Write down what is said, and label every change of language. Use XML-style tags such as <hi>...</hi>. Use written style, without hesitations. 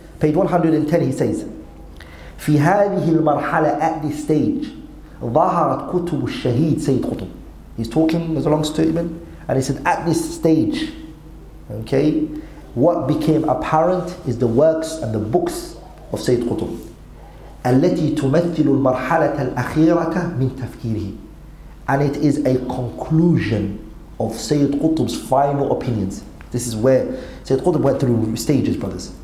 <en>Page 110, he says,</en> <ar>في هذه المرحلة,</ar> <en>at this stage,</en> <ar>ظهرت كتب الشهيد سيد قطب.</ar> <en>He's talking, there's a long statement, and he said, at this stage, okay, what became apparent is the works and the books of سيد قطب.</en> <ar>التي تمثل المرحلة الأخيرة من تفكيره.</ar> <en>And it is a conclusion of Sayyid Qutb's final opinions. This is where Sayyid Qutb went through stages, brothers.</en>